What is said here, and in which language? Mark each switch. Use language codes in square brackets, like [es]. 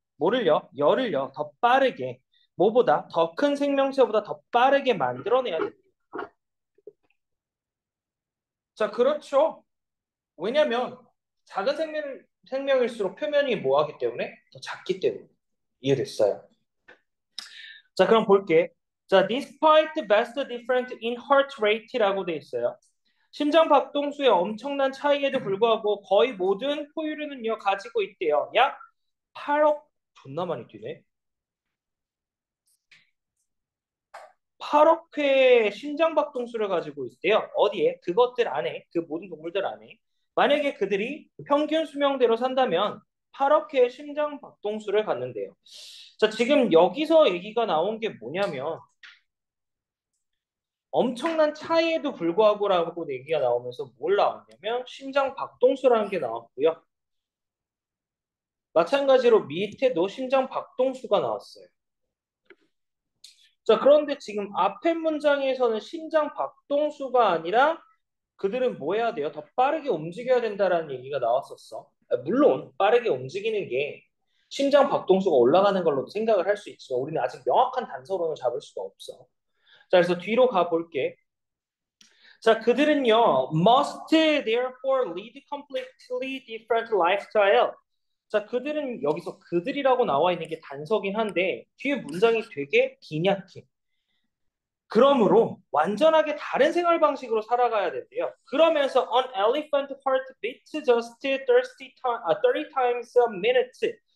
[ko] 뭐를요? 열을요. 더 빠르게. 뭐보다? 더큰 생명체보다 더 빠르게 만들어내야 된대요. 자, 그렇죠. 왜냐면, 작은 생명일수록 표면이 모호하기 때문에 더 작기 때문에. 이해됐어요. 자, 그럼 볼게. [en] 자, despite the vast difference in heart rate [ko] 라고 돼 있어요. 심장 박동수의 엄청난 차이에도 불구하고 거의 모든 포유류는요 가지고 있대요. 약 8억 존나 많이 뛰네. 8억 회의 심장 박동수를 가지고 있대요. 어디에? 그것들 안에, 그 모든 동물들 안에. 만약에 그들이 평균 수명대로 산다면 8억 회의 심장 박동수를 갖는데요. 자, 지금 여기서 얘기가 나온 게 뭐냐면 엄청난 차이에도 불구하고라고 얘기가 나오면서 뭘 나왔냐면 심장 박동수라는 게 나왔고요. 마찬가지로 밑에도 심장 박동수가 나왔어요. 자, 그런데 지금 앞에 문장에서는 심장 박동수가 아니라 그들은 뭐 해야 돼요? 더 빠르게 움직여야 된다라는 얘기가 나왔었어. 물론 빠르게 움직이는 게 심장 박동수가 올라가는 걸로도 생각을 할수 있지만 우리는 아직 명확한 단서로는 잡을 수가 없어. 자, 그래서 뒤로 가볼게. 자, 그들은요, [en] must therefore lead completely different lifestyle. [ko] 자, 그들은 여기서 그들이라고 나와 있는 게 단서긴 한데 뒤에 문장이 되게 빈약해. 그러므로 완전하게 다른 생활 방식으로 살아가야 된대요. 그러면서 [en] an elephant heart beats just 30 times a minute.